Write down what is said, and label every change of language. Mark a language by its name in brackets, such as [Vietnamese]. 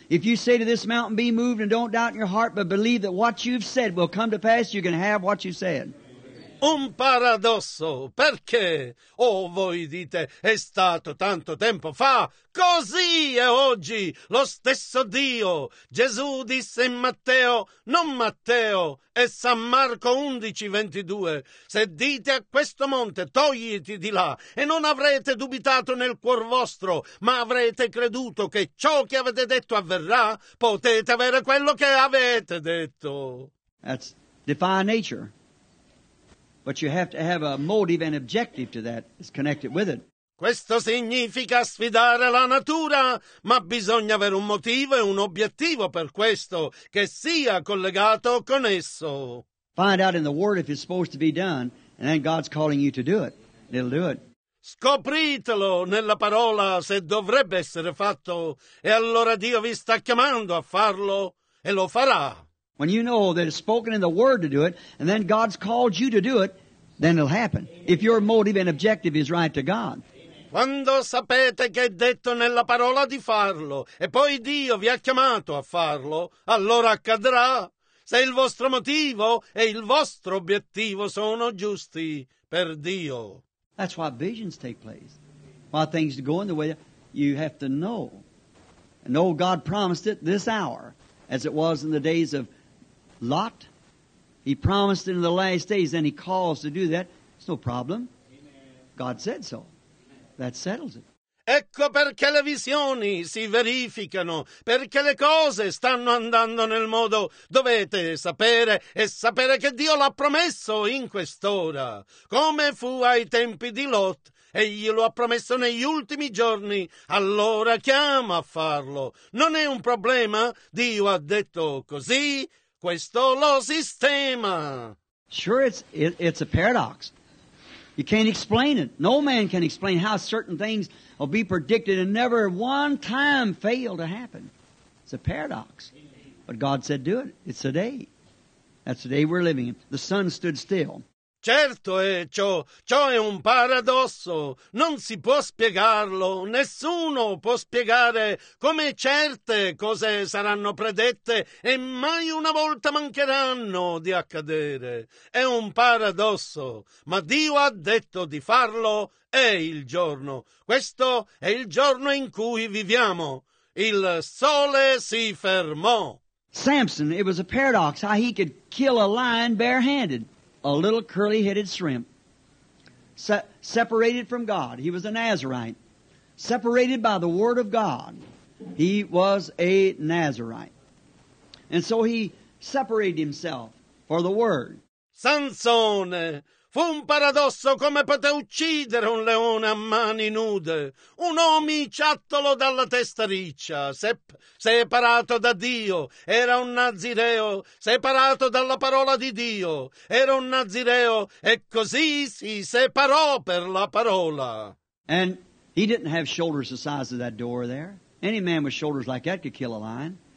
[English] If you say to this mountain, be moved, and don't doubt in your heart, but believe that what you've said will come to pass, you can have what you said. [Italian] Un paradosso. Perché? Oh, voi dite, è stato tanto tempo fa. Così è oggi lo stesso Dio. Gesù disse in Matteo, non Matteo, e San Marco 11:22. Se dite a questo monte, togliti di là, e non avrete dubitato nel cuor vostro, ma avrete creduto che ciò che avete detto avverrà, potete avere quello che avete detto. [English] That's divine nature. But you have to have a motive and objective to that is connected with it. [Italian] Questo significa sfidare la natura, ma bisogna avere un motivo e un obiettivo per questo che sia collegato con esso. [English] Find out in the Word if it's supposed to be done, and then God's calling you to do it. It'll do it. [Italian] Scopritelo nella parola se dovrebbe essere fatto, e allora Dio vi sta chiamando a farlo, e lo farà. [English] When you know that it's spoken in the Word to do it, and then God's called you to do it, then it'll happen. Amen. If your motive and objective is right to God. Amen. [Italian] Quando sapete che è detto nella parola di farlo, e poi Dio vi ha chiamato a farlo, allora accadrà. Se il vostro motivo e il vostro obiettivo sono giusti per Dio. [English] That's why visions take place. Why things go in the way you have to know. And know God promised it this hour. As it was in the days of Lot, he promised in the last days, and he calls to do that. It's no problem. Amen. God said so. That settles it. [Italian] Ecco perché le visioni si verificano, perché le cose stanno andando nel modo. Dovete sapere e sapere che Dio l'ha promesso in quest'ora, come fu ai tempi di Lot. Egli lo ha promesso negli ultimi giorni, allora chiama a farlo. Non è un problema, Dio ha detto così, questo lo sistema. [English] Sure, it's a paradox. You can't explain it. No man can explain how certain things will be predicted and never one time fail to happen. It's a paradox. But God said, do it. It's a day. That's the day we're living in. The sun stood still. [Italian] Certo è ciò, ciò è un paradosso, non si può spiegarlo, nessuno può spiegare come certe cose saranno predette e mai una volta mancheranno di accadere. È un paradosso, ma Dio ha detto di farlo, è il giorno, questo è il giorno in cui viviamo. Il sole si fermò. [English] Samson, it was a paradox how he could kill a lion barehanded. A little curly-headed shrimp, separated from God. He was a Nazarite, separated by the Word of God. He was a Nazarite. And so he separated himself for the Word. [Italian] Sansone, fu un paradosso come poté uccidere un leone a mani nude, un omiciattolo dalla testa riccia, separato da Dio, era un Nazireo, separato dalla parola di Dio, era un Nazireo, e così si separò per la parola. [English] And he didn't have shoulders the size of that door there. Any man with shoulders like that could kill a lion.